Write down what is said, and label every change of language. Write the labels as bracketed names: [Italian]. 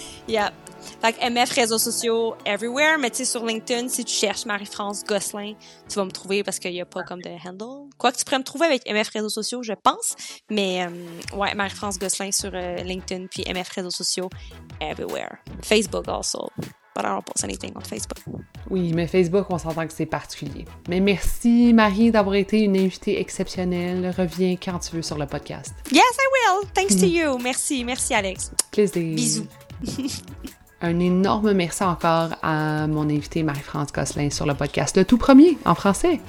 [English] Yep. [French] Fait que MF réseaux sociaux everywhere, mais tu sais, sur LinkedIn, si tu cherches Marie-France Gosselin, tu vas me trouver parce qu'il n'y a pas comme de handle. Quoi que tu pourrais me trouver avec MF réseaux sociaux, je pense, mais ouais, Marie-France Gosselin sur LinkedIn, puis MF réseaux sociaux everywhere. [English] Facebook also, but I don't post anything on Facebook. [French] Oui, mais Facebook, on s'entend que c'est particulier. Mais merci, Marie, d'avoir été une invitée exceptionnelle. Reviens quand tu veux sur le podcast. [English] Yes, I will. Thanks to you. [French] Merci. Merci, Alex. Plaisir. Bisous. Un énorme merci encore à mon invitée Marie-France Gosselin sur le podcast, le tout premier en français.